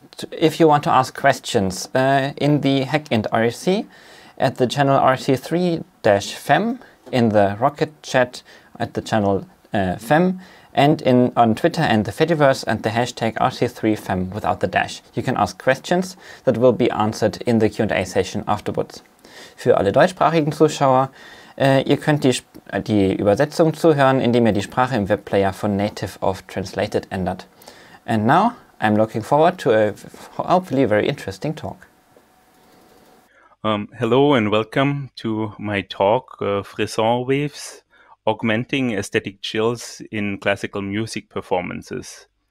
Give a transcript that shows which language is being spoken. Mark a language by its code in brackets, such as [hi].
[en] If you want to ask questions, in the Hackint RC, at the channel RC3-FEM, in the Rocket chat at the channel FEM, and on Twitter and the Fediverse and the hashtag RC3FEM without the dash, you can ask questions that will be answered in the Q&A session afterwards. [de] Für alle deutschsprachigen Zuschauer, ihr könnt die Übersetzung zuhören, indem ihr die Sprache im Webplayer von Native auf Translated ändert. [en] And now, I'm looking forward to a hopefully very interesting talk. Hello and welcome to my talk, Frisson Waves, Augmenting Aesthetic Chills in Classical Music Performances.